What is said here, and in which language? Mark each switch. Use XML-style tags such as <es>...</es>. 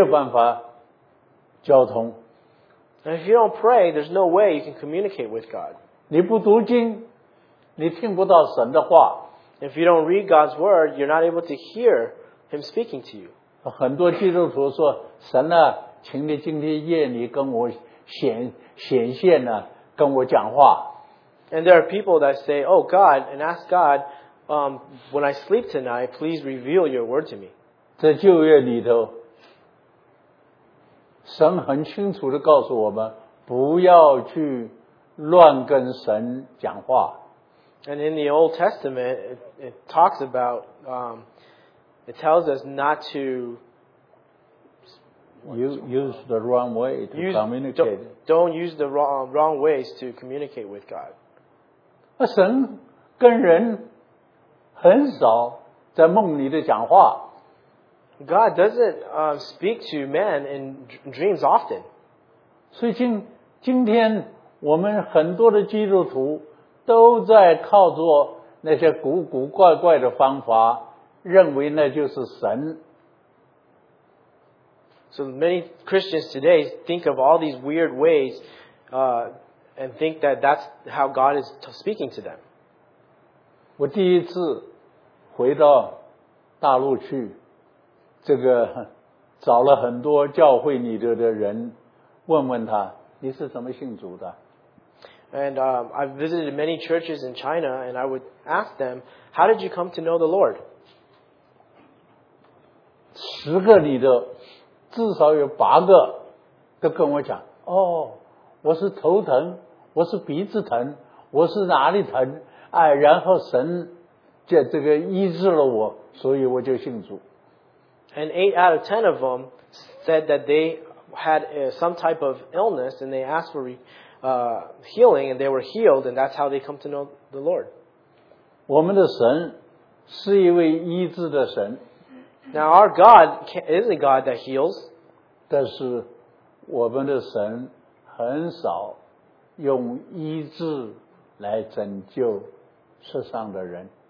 <zh>你不祷告，你跟神没有办法交通。</zh> <en>And if you don't pray, there's no way you can communicate with God.</en> <zh>你不读经，你听不到神的话。</zh> <en>If you don't read God's word, you're not able to hear Him speaking to you.</en> <zh>很多基督徒说：“神啊，请你今天夜里跟我显现呢，跟我讲话。”</zh> <en>And there are people that say, oh God, and ask God, when I sleep tonight, please reveal your word to me.</en> <zh>在旧约里头，神很清楚地告诉我们，不要去乱跟神讲话。</zh> <en>And in the Old Testament, it talks about, it tells us not to use the wrong way to communicate. Don't use the wrong ways to communicate with God.</en> <zh>神跟人很少在梦里的讲话。</zh> <en>God doesn't speak to man in dreams often.</en> <zh>所以今天我们很多的基督徒都在靠着那些古古怪怪的方法，认为那就是神。</zh> <en>So many Christians today think of all these weird ways, and think that that's how God is speaking to them.</en> <zh>我第一次回到大陆去，这个找了很多教会里头的人，问问他你是什么信主的。</zh> <en>And I visited many churches in China, and I would ask them, how did you come to know the Lord?</en> <zh>十个里的至少有八个都跟我讲，哦，我是头疼，我是鼻子疼，我是哪里疼，哎，然后神就这个医治了我，所以我就信主。</zh> <en>And 8 out of 10 of them said that they had some type of illness, and they asked for healing, and they were healed, and that's how they come to know the Lord.</en> <zh>我们的神是一位医治的神。</zh> <en>Now our God is a God that heals.</en> <zh>但是我们的神很少用医治来拯救世上的人。</zh>